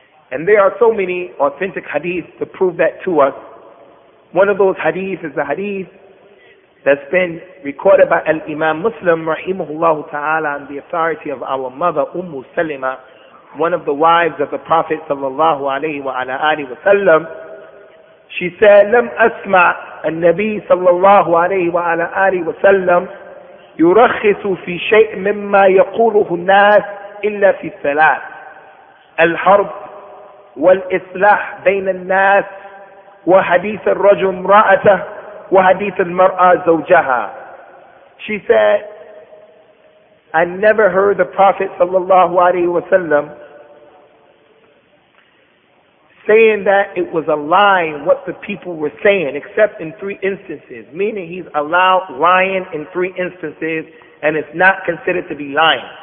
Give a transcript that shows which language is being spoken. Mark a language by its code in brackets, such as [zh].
[en] And there are so many authentic hadiths to prove that to us. One of those hadiths is the hadith that's been recorded by Al-Imam Muslim rahimahullah ta'ala on the authority of our mother Ummu Salima, one of the wives of the Prophet sallallahu alayhi wa ala alihi wa sallam. She said, [ar] لم أسمع النبي صلى الله عليه وعلى آله وسلم يرخص في شيء مما يقوله الناس إلا في الثلاث الحرب والإصلاح بين الناس وحديث الرجل امرأته وحديث المرأة زوجها. [en] She said, I never heard the Prophet صلى الله عليه وسلم saying that it was a lie what the people were saying, except in three instances. Meaning he's allowed lying in three instances, and it's not considered to be lying.